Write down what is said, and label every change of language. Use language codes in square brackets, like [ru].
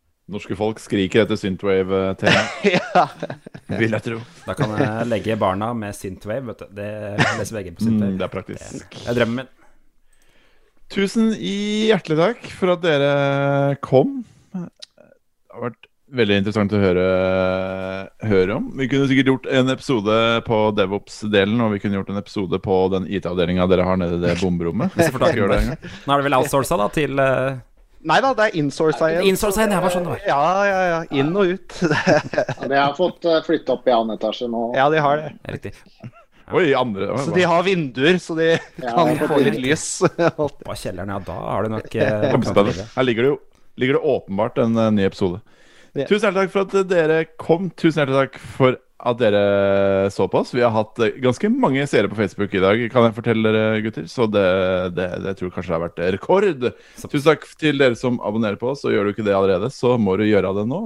[no] Norske folk skriker etter Synthwave-tema. Ja. Vil jeg tro. Da kan jeg legge barna med Synthwave, vet du, det leser VG på Synthwave. Det er praktisk. Det er drømmen min. Tusen hjertelig takk for at dere kom. Det har vært [sv] väldigt intressant att höra om. Vi kunde säkert gjort en episode på DevOps delen och vi kunde gjort en episode på den IT-avdelningen där det har nere det bombrummet. Så fortsätt göra det. Nu är det väl outsourcat då till Nej då, det är insourcat. Insourcat är bara sånt där. Ja, ja, ja, in och ut. Ja, det har fått flytta upp i andra etagen och Ja, det har det. Riktigt. Oj, andra. [no] Så de har vinduer så de kan få lite ljus. [sv] På källaren ja, då har du nog spännande. Här ligger det jo, ligger det uppenbart en ny episode. Ja. [no] Tusen hjertelig takk for at dere kom. Tusen hjertelig takk for at dere så på oss. Vi har hatt ganske mange seere på Facebook i dag, kan jeg fortelle dere, gutter. Så det tror jeg kanskje det har vært rekord. Tusen takk til dere som abonnerer på oss. Og gjør du ikke det allerede, så må du gjøre det nå.